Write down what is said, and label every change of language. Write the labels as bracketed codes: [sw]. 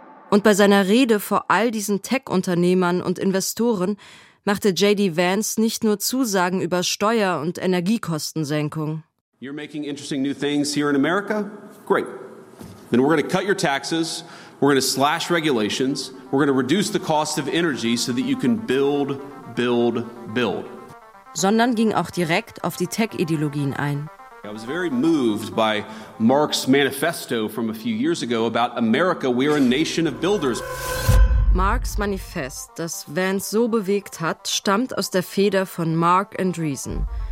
[de] Und bei seiner Rede vor all diesen Tech-Unternehmern und Investoren machte J.D. Vance nicht nur Zusagen über Steuer- und Energiekostensenkung. [en] You're making interesting new things here in America? Great. Then we're going to cut your taxes, we're going to slash regulations, we're going to reduce the cost of energy so that you can build, build, build. [de] Sondern ging auch direkt auf die Tech-Ideologien ein. [en] I was very moved by Marx's manifesto from a few years ago about America, we are a nation of builders. [de] Marx's Manifest, das Vance so bewegt hat, stammt aus der Feder von Mark Andreessen.